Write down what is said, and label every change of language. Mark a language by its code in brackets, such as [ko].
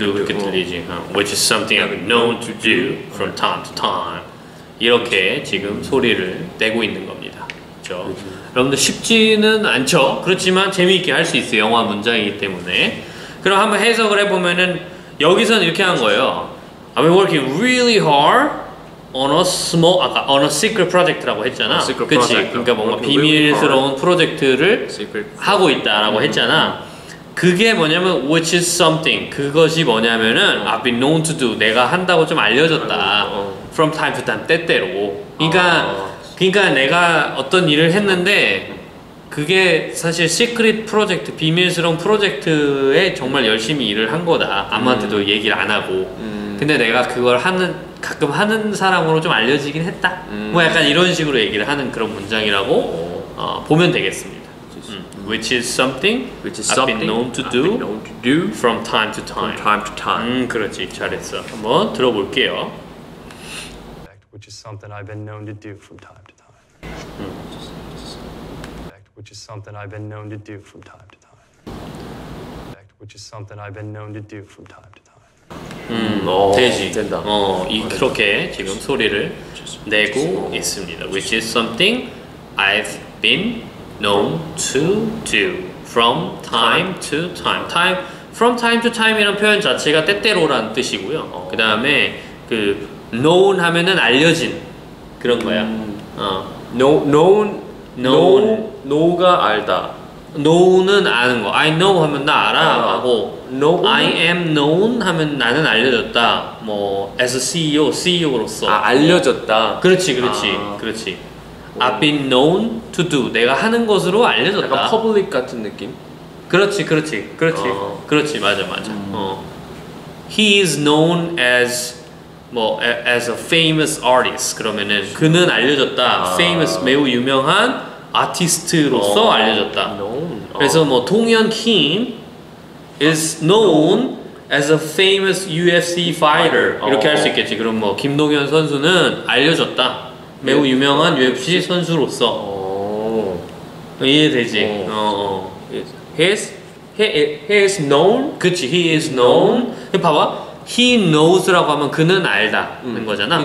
[en] Which is something I've been known to do from time to time. [ko] 이렇게 지금 소리를 내고 있는 겁니다. 그렇죠? 여러분들 쉽지는 않죠. 그렇지만 재미있게 할 수 있어요. 영화 문장이기 때문에. 그럼 한번 해석을 해보면은 여기서는 이렇게 한 거예요. [en] I've been working really hard on a small, [ko] 아까 [en] on a secret project라고 했잖아. [ko] 그렇지. 그러니까 뭔가 비밀스러운 프로젝트를 하고 있다라고 했잖아. 그게 뭐냐면 [en] which is something. [ko] 그것이 뭐냐면은 [en] I've been known to do. [ko] 내가 한다고 좀 알려졌다. [en] From time to time [ko] 때때로. 그러니까 내가 어떤 일을 했는데. 그게 사실 시크릿 프로젝트, 비밀스러운 프로젝트에 정말 열심히 일을 한 거다. 아무한테도 얘기를 안 하고. 근데 내가 그걸 하는, 가끔 하는 사람으로 좀 알려지긴 했다. 뭐 약간 이런 식으로 얘기를 하는 그런 문장이라고 보면 되겠습니다. [en] Which is something, which is something I've been known to do from time to time. From time to time. [ko] 그렇지. 잘했어. 한번 들어볼게요. [en] Which is something I've been known to do from time to time. Which is something I've been known to do from time to time. Which is something I've been known to do from time to time. [ko] 되지. 된다. 어, 이 그렇게 지금 소리를 내고 있습니다. [en] Which is something I've been known to do from time to time. Time from time to time [ko] 이란 표현 자체가 때때로란 뜻이고요. 그 다음에 그 known 하면은 알려진 그런 거야. Known가 알다. Know는 아는 거. [en] I know [ko] 하면 나 알아. 하고 [en] know. I am known [ko] 하면 나는 알려졌다. 뭐 [en] as a CEO, [ko] CEO로서. 아, 알려졌다. 그렇지, 그렇지, 그렇지. [en] I've been known to do. [ko] 내가 하는 것으로 알려졌다. 약간 public 같은 느낌. 그렇지, 그렇지, 그렇지. 그렇지, 맞아. [en] He is known as 뭐 as a famous artist. [ko] 그러면은 그는 알려졌다. 아. famous 매우 유명한 아티스트로서 어. 알려졌다. [en] known. [ko] 그래서 뭐 [en] 동현 킴 is known as a famous UFC fighter. [ko] 이렇게 할 수 있겠지. 그럼 뭐 김동현 선수는 알려졌다. 매우 유명한 UFC 선수로서. 어. 이해되지? 어. 어. [en] He is known. [ko] 그치. [en] He is known. [ko] 봐봐. [en] He knows [ko] 라고 하면 그는 알다는 거잖아.